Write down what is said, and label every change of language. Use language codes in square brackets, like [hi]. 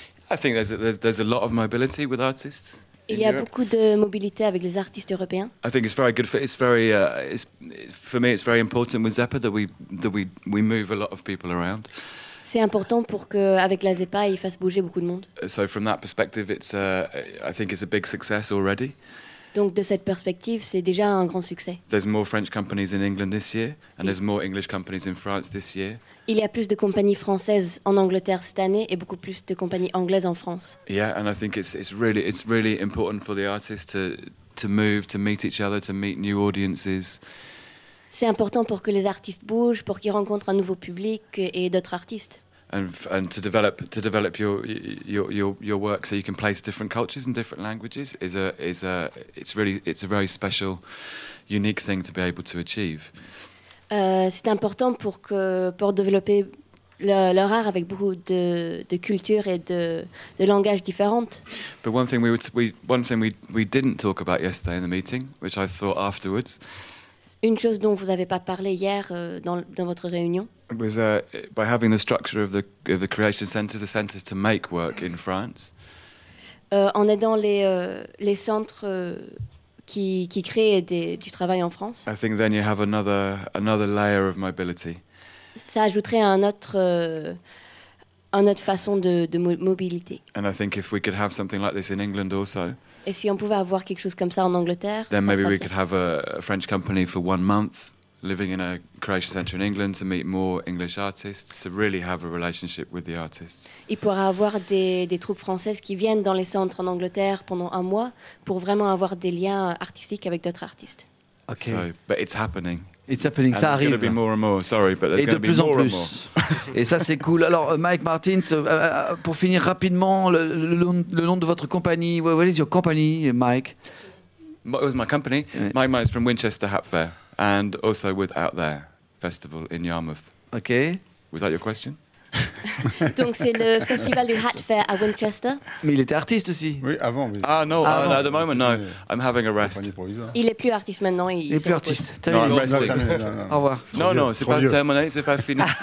[en] I think there's a lot of mobility with artists. [fr] Il y a beaucoup de mobilité avec les artistes européens. [en] I think it's very good for for me it's very important with ZEPA that we move a lot of people around. [fr] C'est important pour que avec la ZEPA ils fassent bouger beaucoup de monde. [en] So from that perspective I think it's a big success already. [fr] Donc de cette perspective, c'est déjà un grand succès. [en] There's more French companies in England this year, and there's more English companies in France this year. [fr] Il y a plus de compagnies françaises en Angleterre cette année et beaucoup plus de compagnies anglaises en France. [en] Yeah, and I think it's really important for the artists to move, to meet each other, to meet new audiences. [fr] C'est important pour que les artistes bougent, pour qu'ils rencontrent un nouveau public et d'autres artistes. [en] And to develop your work so you can play to different cultures and different languages is a very special, unique thing to be able to achieve. [fr] C'est important pour développer leur art avec beaucoup de cultures et de langages différentes. [en] But one thing we didn't talk about yesterday in the meeting, which I thought afterwards. [fr] Une chose dont vous n'avez pas parlé hier dans votre réunion. [en] Was by having the structure of the creation centres, the centres to make work in France. [fr] En aidant les centres qui créent du travail en France. [en] I think then you have another layer of mobility. [fr] Ça ajouterait un autre façon de mobilité. [en] And I think if we could have something like this in England also. [fr] Et si on pouvait avoir quelque chose comme ça en Angleterre. [en] Then maybe we could have a French company for 1 month. Living in a creation center in England to meet more English artists, to really have a relationship with the artists. [fr] Il pourra avoir des troupes françaises qui viennent dans les centres en Angleterre pendant un mois pour vraiment avoir des liens artistiques avec d'autres artistes. [en] Okay. So, but it's happening. It's happening. And [fr] ça arrive. [en] It's going to be more and more. Sorry, but there's going to be [fr] plus [en] more [fr] en plus. [en] And more. [fr] Et ça c'est cool. Alors Mike Martins, pour finir rapidement le nom de votre compagnie. [en] What is your company, Mike? It was my company. Oui. Mike is from Winchester Hat Fair. And also with Out There Festival in Yarmouth. Okay. Was that your question? [fr] Donc c'est le festival du Hat Fair à Winchester. Mais il était artiste aussi. Oui, avant. Oui. Ah non, [en] ah, no, at the moment, no. I'm having a rest. [fr] Il est plus artiste maintenant. Il n'est plus artiste. [en] Non, I'm resting. [fr] Au revoir. Non, non, c'est pas terminé, c'est pas fini.